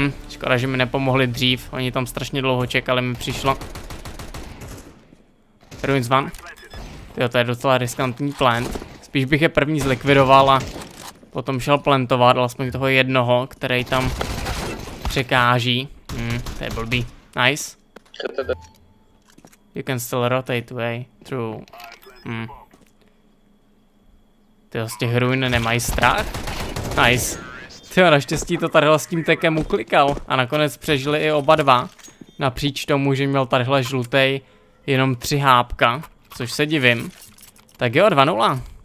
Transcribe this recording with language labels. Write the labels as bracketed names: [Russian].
[Czech] Škoda, že mi nepomohli dřív. Oni tam strašně dlouho čekali, mi přišlo. Ruins van. Jo, to je docela riskantní plant. Spíš bych je první zlikvidoval a potom šel plantovat, alespoň toho jednoho, který tam překáží. To je blbý. Nice. [English] You can still rotate way through. [Czech] Jo, z těch ruin nemají strach. Nice. Jo, naštěstí to tadyhle s tím tekem uklikal a nakonec přežili i oba dva. Napříč tomu, že měl tadyhle žlutej jenom 3 hápka, což se divím. Tak jo, 2-0.